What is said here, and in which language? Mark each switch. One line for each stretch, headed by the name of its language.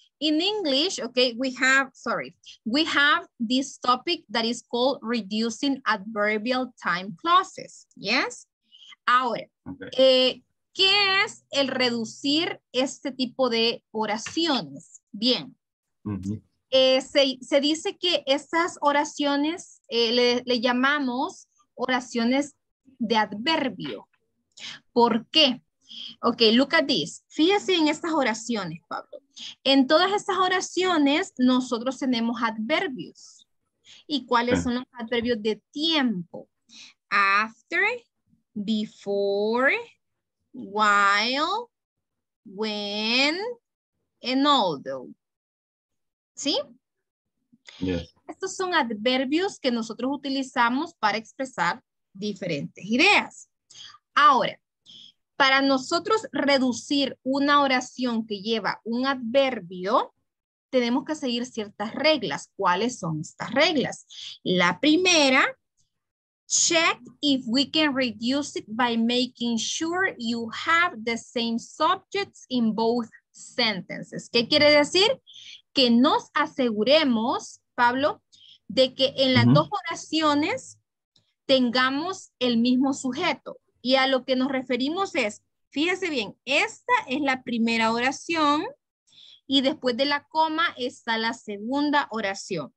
English: In English, okay, we have this topic that is called reducing adverbial time clauses. Yes. Ahora, okay.
Spanish: ¿Qué es el reducir este tipo de oraciones? Bien. Uh-huh. Se dice que estas oraciones le llamamos oraciones de adverbio. ¿Por qué?
English: Ok, look at this.
Spanish: Fíjese en estas oraciones, Pablo. En todas estas oraciones, nosotros tenemos adverbios. ¿Y cuáles son los adverbios de tiempo? After, before, while, when, and although. ¿Sí?
English: Yes.
Spanish: Estos son adverbios que nosotros utilizamos para expresar diferentes ideas. Ahora, para nosotros reducir una oración que lleva un adverbio, tenemos que seguir ciertas reglas. ¿Cuáles son estas reglas? La primera,
English: check if we can reduce it by making sure you have the same subjects in both sentences.
Spanish: ¿Qué quiere decir? Que nos aseguremos, Pablo, de que en las dos oraciones tengamos el mismo sujeto. Y a lo que nos referimos es, fíjese bien, esta es la primera oración y después de la coma está la segunda oración.